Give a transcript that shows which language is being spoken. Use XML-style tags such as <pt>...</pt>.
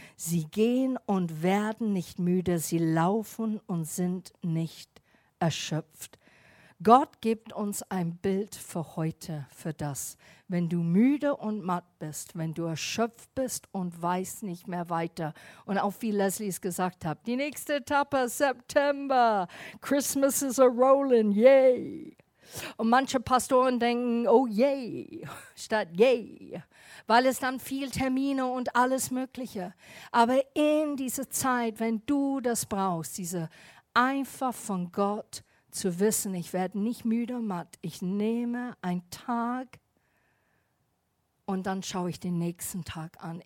<de>Sie gehen und werden nicht müde. Sie laufen und sind nicht erschöpft. Gott gibt uns ein Bild für heute, für das. Wenn du müde und matt bist, wenn du erschöpft bist und weißt nicht mehr weiter. Und auch wie Leslie es gesagt hat, die nächste Etappe, September.</de> <en>Christmas is a rolling, yay.</en> <de>Und manche Pastoren denken, oh yay, statt yay, weil es dann viel Termine und alles Mögliche. Aber in dieser Zeit, wenn du das brauchst, diese einfach von Gott zu wissen, ich werde nicht müde und matt, ich nehme einen Tag und dann schaue ich den nächsten Tag an.</de>